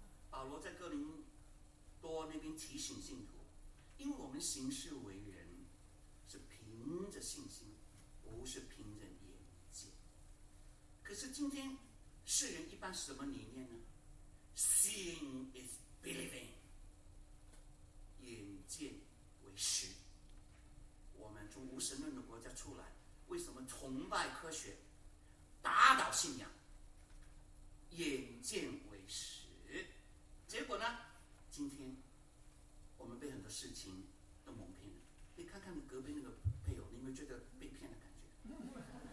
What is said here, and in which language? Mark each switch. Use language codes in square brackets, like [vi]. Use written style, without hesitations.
[zh] 保罗在哥林多那边提醒信徒，因为我们行事为人是凭着信心，不是凭着眼见。可是今天世人一般什么理念呢？ [en] Seeing is believing， [zh] 眼见为实。我们从无神论的国家出来，为什么崇拜科学，打倒信仰？眼见为实。结果呢，今天我们被很多事情都蒙骗了，看你隔壁那个配偶，你有没有觉得被骗的感觉？